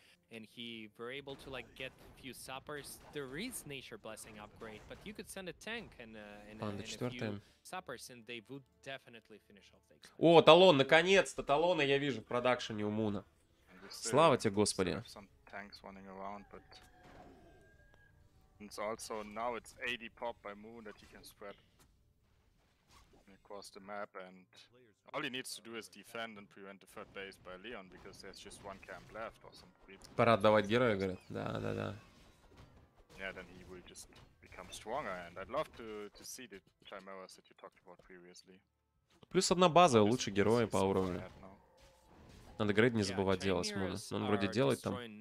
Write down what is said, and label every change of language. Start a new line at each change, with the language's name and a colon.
English: And he were able to like get a few suppers. There is nature blessing upgrade, but you could send a tank and a few suppers, and they would definitely finish off the expansion.
Russian: О, талон, наконец-то талона я вижу в продакшене у Муна. Слава тебе, Господи.
English: All he needs to do is defend and prevent the third base by Leon, because there's just one camp left or some creep.
Russian: Пора отдавать героя, говорят. Да.
English: Yeah, then he will just become stronger, and I'd love to see the chimeras that you talked about previously.
Russian: Плюс одна база, лучше герои по уровню. Надо грейд не забывать делать, Муна. Он вроде делает там.